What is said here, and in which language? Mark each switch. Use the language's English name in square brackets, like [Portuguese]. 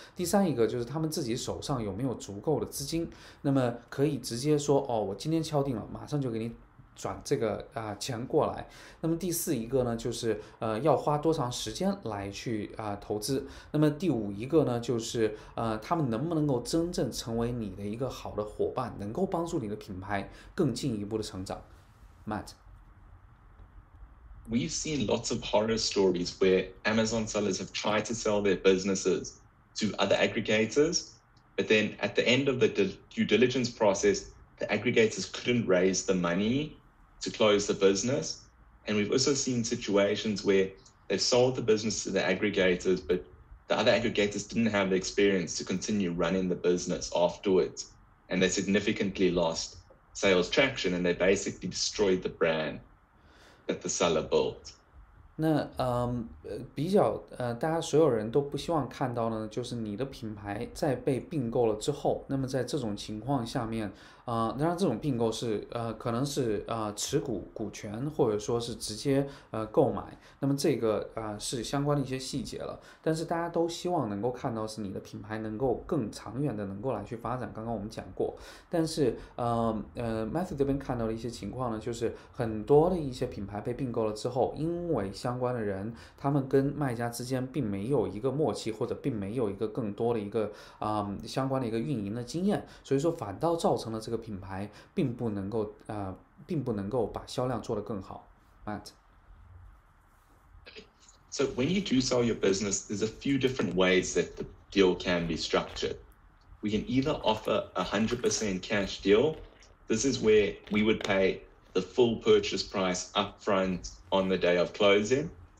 [Chinese] 第三一个就是他们自己手上有没有足够的资金，那么可以直接说我今天敲定了，马上就给你转这个钱过来。那么第四一个呢，就是要花多长时间来去投资。那么第五一个呢，就是他们能不能够真正成为你的一个好的伙伴，能够帮助你的品牌更进一步的成长。 [English] Matt, we've seen lots of horror stories where Amazon sellers have tried to sell their businesses to other aggregators, but then at the end of the due diligence process,the aggregators couldn't raise the money to close the business. And we've also seen situations where they've sold the business to the aggregators, but the other aggregators didn't have the experience to continue running the business afterwards. And they significantly lost sales traction and they basically destroyed the brand that the seller built. [Chinese] 那比较大家所有人都不希望看到呢，就是你的品牌在被并购了之后，那么在这种情况下面当然这种并购是可能是持股权或者说是直接购买，那么这个是相关的一些细节了。但是大家都希望能够看到是你的品牌能够更长远的能够来去发展，刚刚我们讲过。但是Matthew 这边看到的一些情况呢，就是很多的一些品牌被并购了之后，因为相关的人他们跟卖家之间并没有一个默契，或者并没有一个更多的一个相关的一个运营的经验，所以说反倒造成了这个品牌并不能够把销量做得更好。 [English] Matt, so when you do sell your business, there's a few different ways that the deal can be structured. We can either offer 100% cash deal. This is where we would pay the full purchase price upfront on the day of closing.